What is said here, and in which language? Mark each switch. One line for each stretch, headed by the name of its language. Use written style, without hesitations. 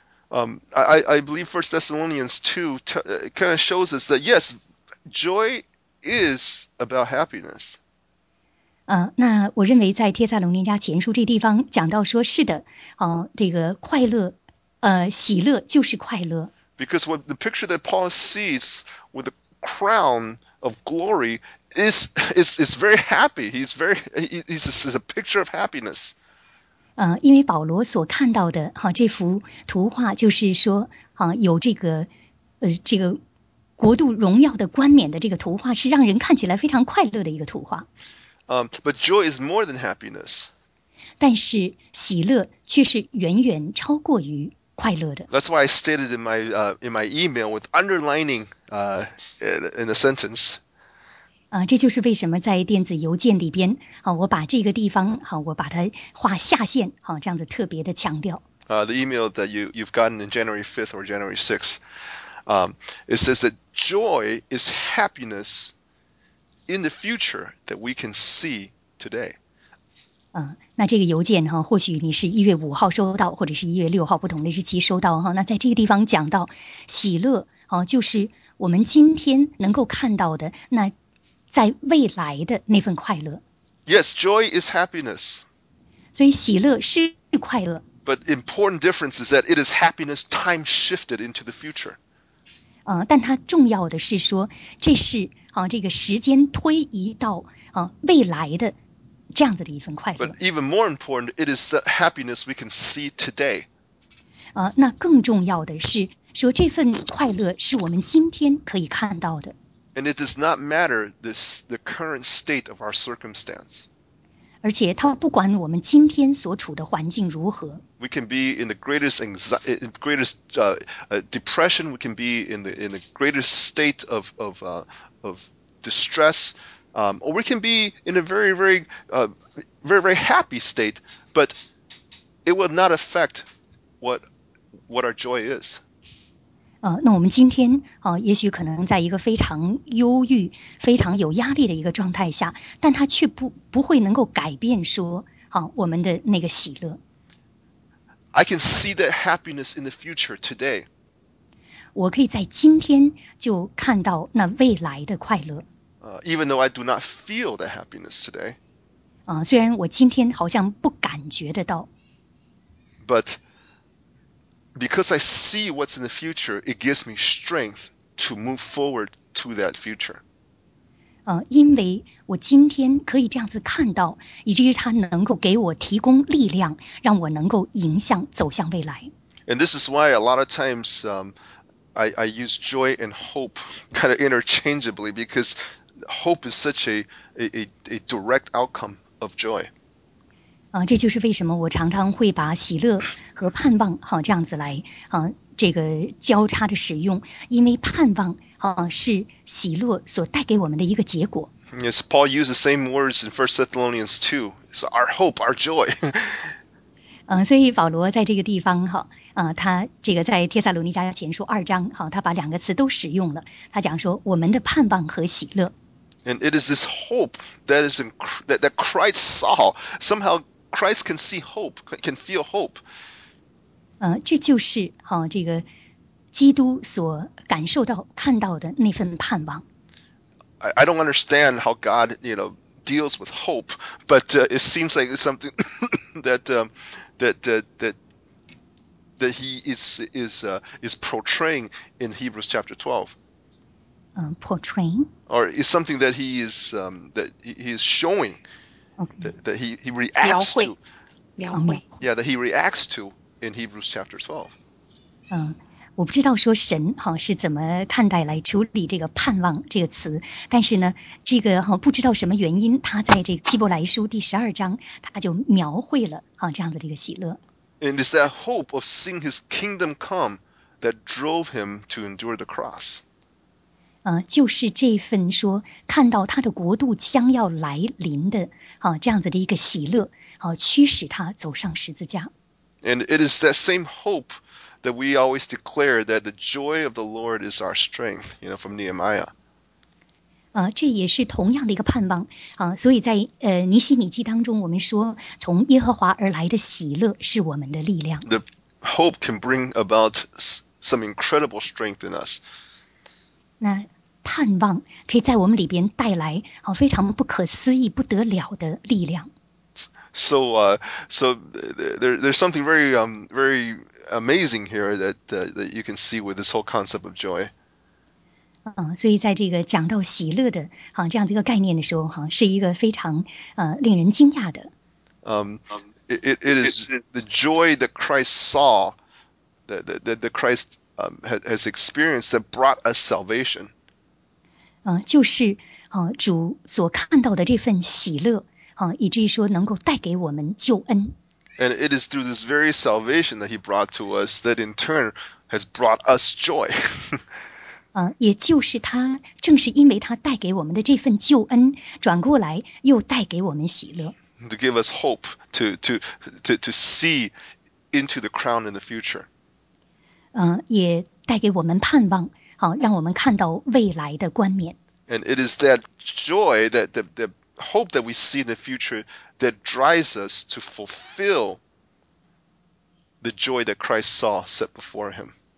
English: I believe 1 Thessalonians 2 kind of shows us that yes, joy is about happiness.
Chinese: 那我认为在帖撒罗尼迦前书这地方讲到说是的，这个快乐，喜乐就是快乐。
English: Because what the picture that Paul sees with the crown of glory is very happy. He's a picture of happiness.
Chinese: 因为保罗所看到的这幅图画就是说有这个国度荣耀的冠冕的这个图画是让人看起来非常快乐的一个图画。
English: But joy is more than happiness.
Chinese: 但是喜乐却是远远超过于快乐的。
English: That's why I stated in my email with underlining in the sentence.
Chinese: 这就是为什么在电子邮件里边我把这个地方我把它画下线这样子特别的强调。
English: The email that you've gotten in January 5th or January 6th. It says that joy is happiness in the future that we can see today.
Chinese: 那这个邮件或许你是1月5号收到，或者是1月6号不同的日期收到那在这个地方讲到喜乐就是我们今天能够看到的那在未来的那份快乐。
English: Yes, joy is happiness.
Chinese: 所以喜乐是快乐。
English: But important difference is that it is happiness time shifted into the future.
Chinese: 但它重要的是说，这是这个时间推移到未来的这样子的一份快乐。
English: But even more important, it is the happiness we can see today.
Chinese: 那更重要的是说，这份快乐是我们今天可以看到的。
English: And it does not matter the current state of our circumstance.
Chinese: 而且它不管我们今天所处的环境如何。
English: We can be in the greatest anxiety, greatest depression. We can be in the greatest state of distress, or we can be in a very very very very happy state. But it will not affect what our joy is.
Chinese: 那我们今天也许可能在一个非常忧郁、非常有压力的一个状态下，但它却不会能够改变说我们的那个喜乐。
English: I can see that happiness in the future today.
Chinese: 我可以在今天就看到那未来的快乐。
English: Even though I do not feel the happiness today.
Chinese: 虽然我今天好像不感觉得到。
English: But because I see what's in the future, it gives me strength to move forward to that future.
Chinese: 因为我今天可以这样子看到，以至于它能够给我提供力量，让我能够迎向走向未来。
English: And this is why a lot of times I use joy and hope kind of interchangeably because hope is such a direct outcome of joy.
Chinese: 这就是为什么我常常会把喜乐和盼望这样子来这个交叉的使用，因为盼望是喜乐所带给我们的一个结果。
English: Yes, Paul used the same words in 1 Thessalonians 2. It's our hope, our joy.
Chinese: 所以保罗在这个地方他这个在帖撒罗尼迦前书二章他把两个词都使用了，他讲说我们的盼望和喜乐。
English: And it is this hope that is in, that, that Christ saw. Somehow Christ can see hope, can feel hope.
Chinese: 这就是这个基督所感受到看到的那份盼望。
English: I don't understand how God, you know, deals with hope, but it seems like it's something that he is portraying in Hebrews chapter 12. Portraying? Or is something that he is showing, okay. that he reacts
Chinese: 描绘,
English: to.
Chinese: 描绘.
English: Yeah, that he reacts to in Hebrews chapter 12.
Chinese: 我不知道说神是怎么看待来处理这个盼望这个词，但是呢这个不知道什么原因，他在这个希伯来书第十二章他就描绘了这样的这个喜乐。
English: And it's that hope of seeing his kingdom come that drove him to endure the cross.
Chinese: 就是这份说看到他的国度将要来临的这样子的一个喜乐驱使他走上十字架。
English: And it is that same hopeThat we always declare that the joy of the Lord is our strength, you know, from Nehemiah.
Chinese: 这也是同样的一个盼望所以在尼希米记当中，我们说从耶和华而来的喜乐是我们的力量。
English: The hope can bring about some incredible strength in us.
Chinese: 那盼望可以在我们里边带来非常不可思议、不得了的力量。
English: So, there's something very, very amazing here that you can see with this whole concept of joy.
Chinese: 所以在这个讲到喜乐的这样子一个概念的时候是一个非常令人惊讶的。
English: It is the joy that Christ saw, that Christ has experienced that brought us salvation.
Chinese: 就是主所看到的这份喜乐。以至于说能够带给我们救恩。
English: And it is through this very salvation that he brought to us that in turn has brought us joy.
Chinese: 也就是他正是因为他带给我们的这份救恩转过来又带给我们喜乐。
English: To give us hope to see into the crown in the future.
Chinese: 也带给我们盼望让我们看到未来的冠冕。
English: And it is that joy that hope that we see in the future that drives us to fulfill the joy that Christ saw set before him.